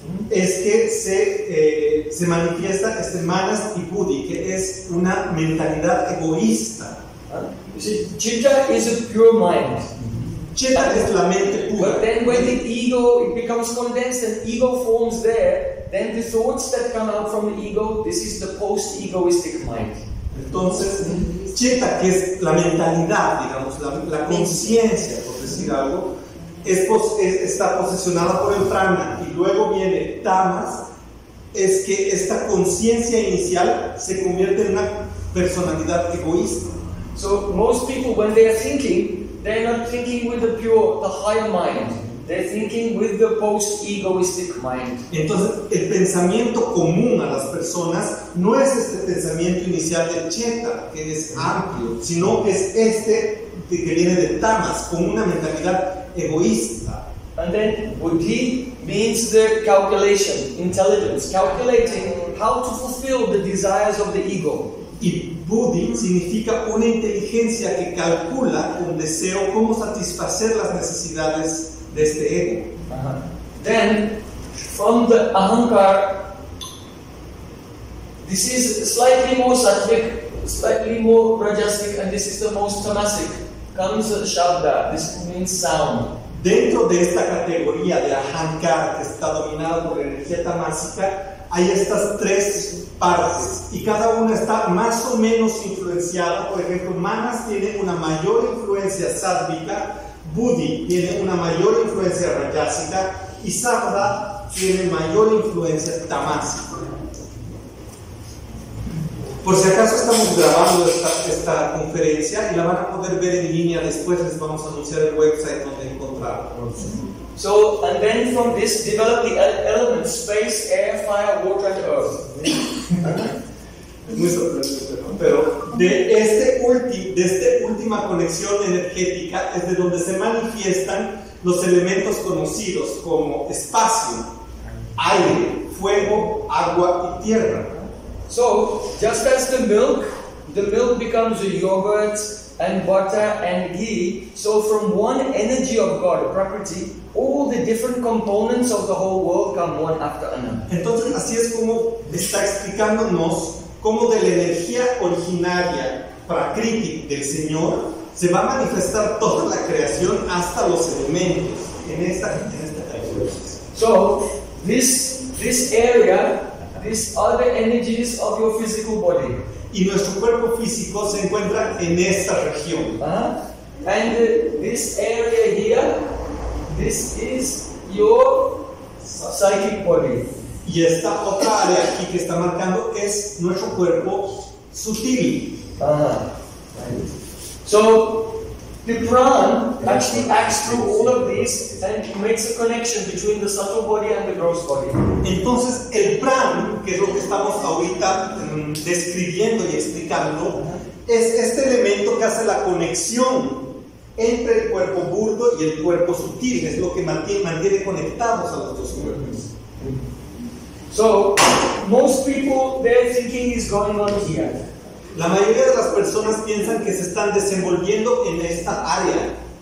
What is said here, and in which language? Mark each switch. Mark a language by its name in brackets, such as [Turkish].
[Spanish] es que se, se manifiesta este manas y buddhi, que es una mentalidad egoísta. [English] Chitta is a pure mind. [Spanish] Chitta es la mente pura. [English] But then when the ego becomes condensed and ego forms there, then the thoughts that come out from the ego, this is the post-egoistic mind. [Spanish] Entonces, Chitta, que es la mentalidad, digamos, la conciencia, por decir algo, está posesionada por el prana, y luego viene tamas, es que esta conciencia inicial se convierte en una personalidad egoísta. [English] So most people, when they are thinking, they're not thinking with the pure, the higher mind. They're thinking with the post-egoistic mind. [Spanish] Entonces, el pensamiento común a las personas no es este pensamiento inicial de Chetta, que es amplio, sino es este que viene de tamas, con una mentalidad egoísta. [English] And then buddhi means the calculation, intelligence, calculating how to fulfill the desires of the ego. [Spanish] Y buddhi significa una inteligencia que calcula un deseo, cómo satisfacer las necesidades de este ego. [English] Then, from the ahankar, this is slightly more sattvic, slightly more rajasic, and this is the most tamasic, comes the shabda, this means sound. [Spanish] Dentro de esta categoría de ahankar, que está dominada por la energía tamásica, hay estas tres partes, y cada una está más o menos influenciada. Por ejemplo, manas tiene una mayor influencia sattvica, buddhi tiene una mayor influencia rayásica, y sabda tiene mayor influencia tamásica. Por si acaso, estamos grabando esta conferencia y la van a poder ver en línea después. Les vamos a anunciar el website donde encontrarlo. [English] So, and then from this develop the elements, space, air, fire, water, and earth. [Spanish] Es muy sorprendente, ¿no? Pero de esta última conexión energética es de donde se manifiestan los elementos conocidos como espacio, aire, fuego, agua y tierra. [English] So, just as the milk becomes a yogurt and butter and ghee, so from one energy of God, property, all the different components of the whole world come one after another. [Spanish] Entonces, así es como está explicándonos cómo de la energía originaria prakriti del Señor se va a manifestar toda la creación hasta los elementos en esta categoría. [English] So, this area, these are the energies of your physical body. [Spanish] Y nuestro cuerpo físico se encuentra en esta región. [English] And this area here, this is your psychic body. [Spanish] Y esta otra área aquí que está marcando es nuestro cuerpo sutil. [English] So, the prana actually acts through all of these and makes a connection between the subtle body and the gross body. [Spanish] Entonces, el prana, que es lo que estamos ahorita describiendo y explicando, es este elemento que hace la conexión entre el cuerpo burdo y el cuerpo sutil. Es lo que mantiene conectados a los dos cuerpos. [English] So, most people, their thinking is going on here. [Spanish] La mayoría de las personas piensan que se están desenvolviendo en esta área.